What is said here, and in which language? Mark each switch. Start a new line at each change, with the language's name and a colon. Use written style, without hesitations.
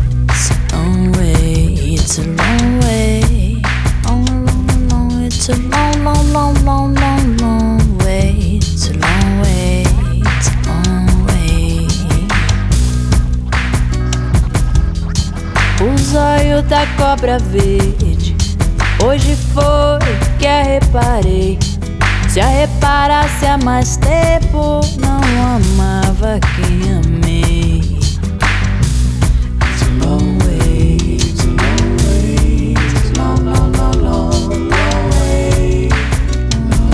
English: It's a long way, it's a long way. Long, long, long, it's a long, long, long, long, long, long way. It's a long way, it's a long way.
Portuguese: O zóio da cobra verde hoje foi que a reparei. Se a reparasse há mais tempo, não amava quem amei.
English: It's a long way, it's a long way, it's a long, long, long, long, long way, long way.